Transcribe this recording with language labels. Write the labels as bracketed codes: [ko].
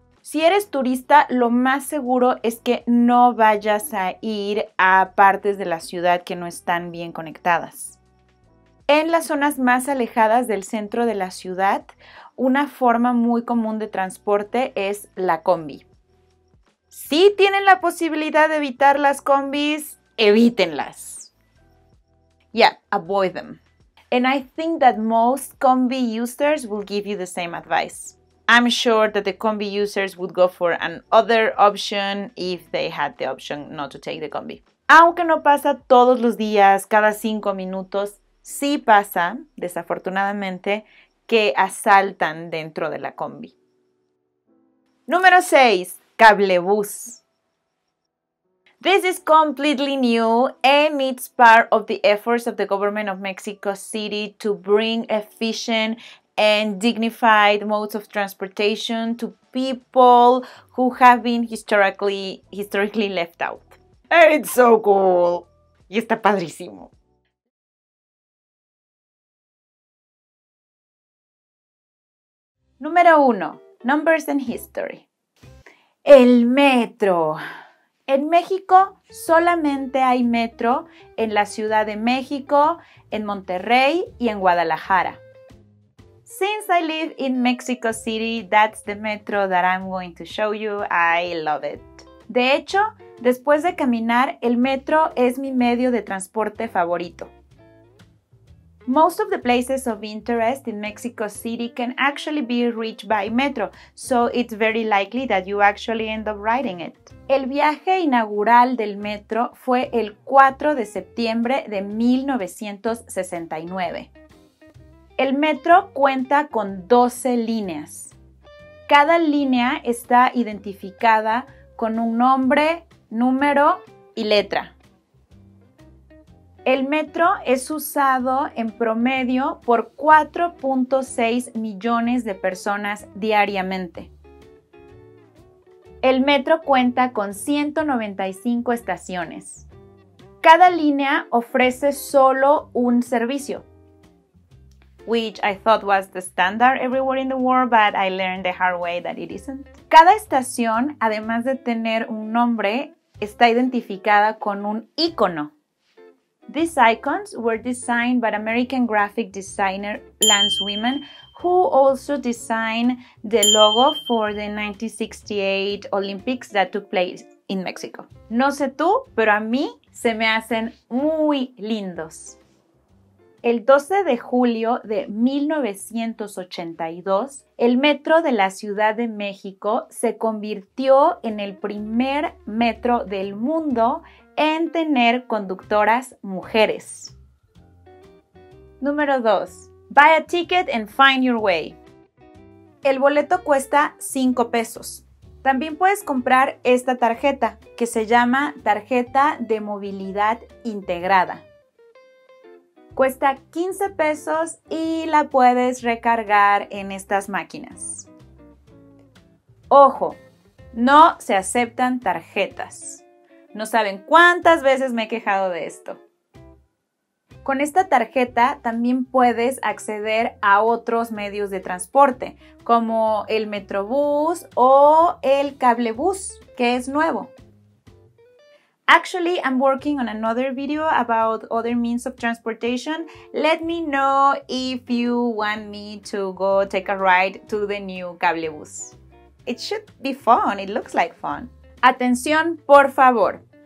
[es] Si eres turista, lo más seguro es que no vayas a ir a partes de la ciudad que no están bien conectadas. En las zonas más alejadas del centro de la ciudad, una forma muy común de transporte es la combi. Si tienen la posibilidad de evitar las combis, evítenlas. [en] Yeah, avoid them. And I think that most combi users will give you the same advice. I'm sure that the combi users would go for another option if they had the option not to take the combi. [es] Aunque no pasa todos los días, cada 5 minutos, sí pasa, desafortunadamente, que asaltan dentro de la combi. Número 6. Cablebus. [en] This is completely new and it's part of the efforts of the government of Mexico City to bring efficient and dignified modes of transportation to people who have been historically left out. It's so cool. [es] Y está padrísimo. Número 1. [en] Numbers and history. [es] El metro. En México solamente hay metro en la Ciudad de México, en Monterrey y en Guadalajara. [en] Since I live in Mexico City, that's the metro that I'm going to show you. I love it. [es] De hecho, después de caminar, el metro es mi medio de transporte favorito. [en] Most of the places of interest in Mexico City can actually be reached by metro, so it's very likely that you actually end up riding it. [es] El viaje inaugural del metro fue el 4 de septiembre de 1969. El metro cuenta con 12 líneas. Cada línea está identificada con un nombre, número y letra. El metro es usado en promedio por 4.6 millones de personas diariamente. El metro cuenta con 195 estaciones. Cada línea ofrece solo un servicio. [en] Which I thought was the standard everywhere in the world, but I learned the hard way that it isn't. [es] Cada estación, además de tener un nombre, está identificada con un icono. [en] These icons were designed by American graphic designer Lance Wyman, who also designed the logo for the 1968 Olympics that took place in Mexico. [es] No sé tú, pero a mí se me hacen muy lindos. El 12 de julio de 1982, el metro de la Ciudad de México se convirtió en el primer metro del mundo en tener conductoras mujeres. Número 2. [en] Buy a ticket and find your way. [es] El boleto cuesta 5 pesos. También puedes comprar esta tarjeta, que se llama Tarjeta de Movilidad Integrada. Cuesta 15 pesos y la puedes recargar en estas máquinas. Ojo, no se aceptan tarjetas. No saben cuántas veces me he quejado de esto. Con esta tarjeta también puedes acceder a otros medios de transporte, como el Metrobús o el Cablebús, que es nuevo. [en] Actually, I'm working on another video about other means of transportation. Let me know if you want me to go take a ride to the new Cablebús. It should be fun. It looks like fun. [es] Atención, por favor.